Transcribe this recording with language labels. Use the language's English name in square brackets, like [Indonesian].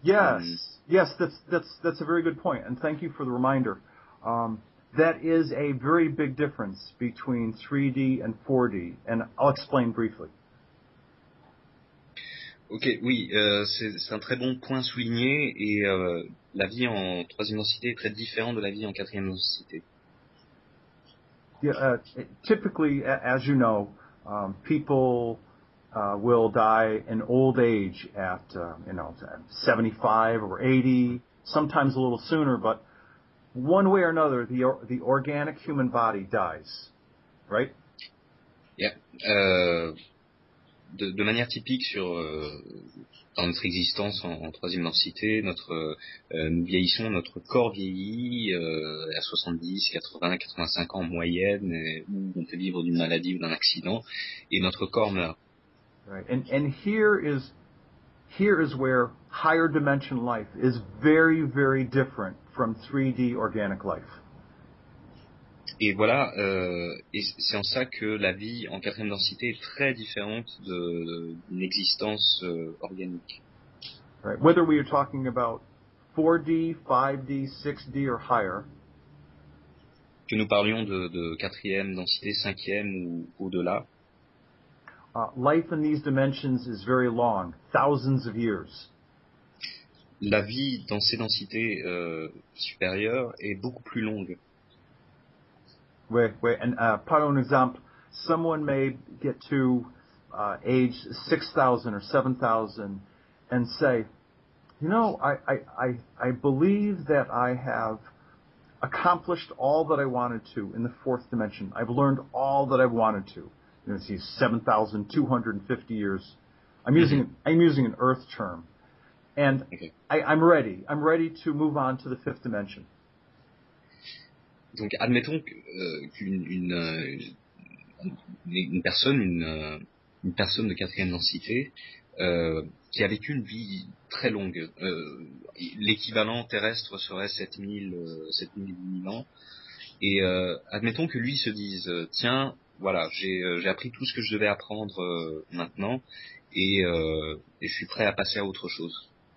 [English] Yes, that's a very good point, and thank you for the reminder. That is a very big difference between 3D and 4D, and I'll explain briefly. [French] Ok, oui, c'est un très bon point souligné, et la vie en troisième densité est très différente de la vie en quatrième densité. [English] Typically, as you know, people will die in old age at, 75 or 80, sometimes a little sooner, but one way or another, the organic human body dies, right? Yeah. [French] De manière typique sur dans notre existence en troisième densité, nous vieillissons, notre corps vieillit à 70, 80, 85 ans en moyenne, ou on peut vivre d'une maladie ou d'un accident, et notre corps meurt. [English] Right. And here is where higher dimension life is very, very different from 3D organic life. [French] Et voilà, et c'est en ça que la vie en quatrième densité est très différente d'une existence organique. [English] Right. Whether we are talking about 4D, 5D, 6D or higher. [French] Que nous parlions de quatrième densité, cinquième ou au-delà. [English] Life in these dimensions is very long, thousands of years. [French] La vie dans ces densités supérieures est beaucoup plus longue. Oui, oui. [English] And [French] par exemple, [English] someone may get to age 6,000 or 7,000 and say, you know, I believe that I have accomplished all that I wanted to in the fourth dimension. I've learned all that I've wanted to. You know, see, 7,250 years. I'm using an Earth term, and I'm ready. I'm ready to move on to the fifth dimension. [French] Donc, admettons qu'une personne de quatrième densité qui a vécu une vie très longue, l'équivalent terrestre serait 7000 ans, et admettons que lui se dise, tiens, voilà, j'ai appris tout ce que je devais apprendre maintenant, et je suis prêt à passer à autre chose.